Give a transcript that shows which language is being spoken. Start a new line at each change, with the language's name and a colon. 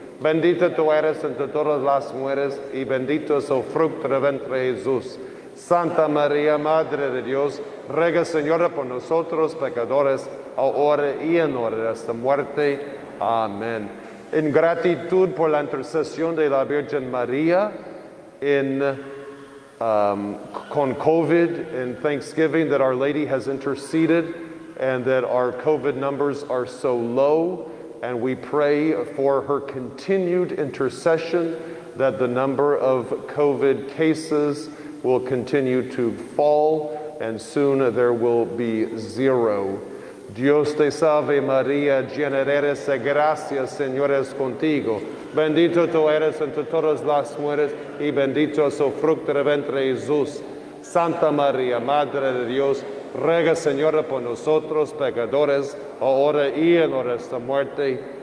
Spanish: Bendita tú eres entre todas las mujeres y bendito es el fruto del vientre Jesús. Santa María, Madre de Dios, ruega, Señora, por nosotros pecadores, ahora y en hora de esta muerte. Amén. En gratitud por la intercesión de la Virgen María, en
English: con COVID and Thanksgiving that Our Lady has interceded and that our COVID numbers are so low. And we pray for her continued intercession that the number of COVID cases will continue to fall and soon there will be zero.
Spanish: Dios te salve Maria, llena eres de gracia, Señor es contigo. Bendito tú eres entre todas las mujeres y bendito es el fruto del vientre Jesús. Santa María, Madre de Dios, ruega, Señora, por nosotros, pecadores, ahora y en hora de la muerte.